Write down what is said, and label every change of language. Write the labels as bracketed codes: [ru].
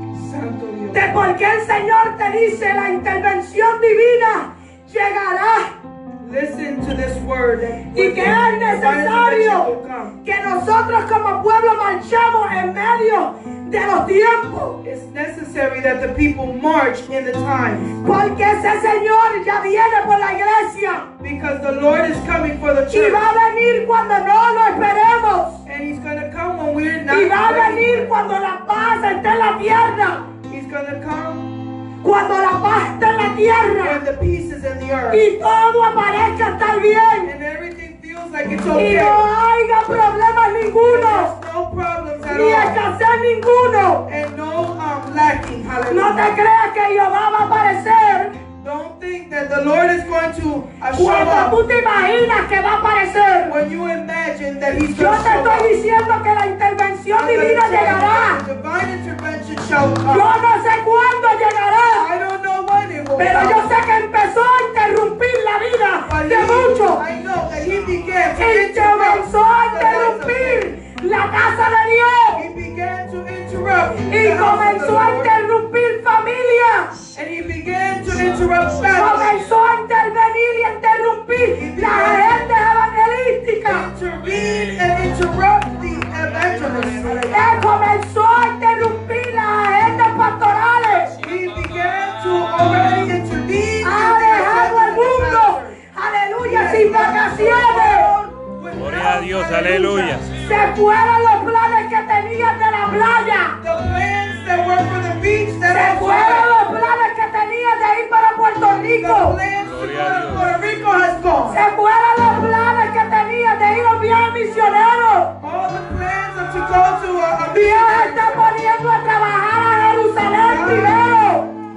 [es] Santo Dios. De por qué el Señor te dice: la intervención divina llegará. [en] Listen to this word. [es] Y que es necesario que nosotros como pueblo marchamos en medio de los tiempos. [en] It's necessary that the people march in the times. [es] Porque ese Señor ya viene por la iglesia. [en] Because the Lord is coming for the church. [es] Y va a venir cuando no lo esperemos. [en] And he's going to come when we're not ready. [es] Y va a venir cuando la paz esté en la tierra. [en] He's going to come [es] cuando la paz está en la tierra, [en] and the peace is in the earth, [es] y todo aparezca estar bien, [en] and everything feels like it's okay, [es] y no haya problemas ninguno, [en] no problems at [es] ni escasez ninguno, [en] and no lacking. Hallelujah. [es] No te creas que Jehová va a aparecer. [en] Don't think that the Lord is going to show up. [es] Cuando tú te imaginas que va a aparecer. [en] When you imagine that he's going to show up. [es] Yo te estoy diciendo que la intervención divina llegará. [en] Divine intervention shall come. [es] Yo no sé cuándo llegará. [en] I don't know when it will come. [es] Pero yo sé que empezó a interrumpir la vida de muchos. [en] I know that he began to interrupt. [es] Él comenzó a interrumpir la casa de Dios. [en] He began to interrupt. [es] Y comenzó a interrumpir familia. [en] And he began to interrupt families. [es] Comenzó a intervenir y interrumpir la gente evangelística. [en] Intervene and interrupt the evangelists. [es] Él comenzó a interrumpir la gente pastorales. [en] He began to already intervene. [es] Ha dejado el mundo, aleluya, sin vacaciones. Gloria a Dios, aleluya. Se fueron los planes que tenían de la playa. [en] The plans that were for the beach that [es] se fueron los planes que tenía de ir para Puerto Rico. [en] Puerto Rico has gone. [es] Se fueron los planes que tenía de ir a enviar misioneros. Dios está poniendo a trabajar a Jerusalén primero.